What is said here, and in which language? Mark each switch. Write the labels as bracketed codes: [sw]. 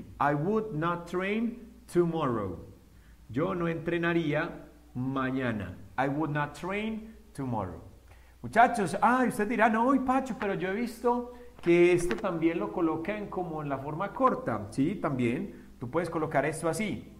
[en] I would not train tomorrow. [es] Yo no entrenaría mañana. [en] I would not train tomorrow. [es] Muchachos, usted dirá, no, y Pacho, pero yo he visto que esto también lo colocan como en la forma corta. Sí, también. Tú puedes colocar esto así.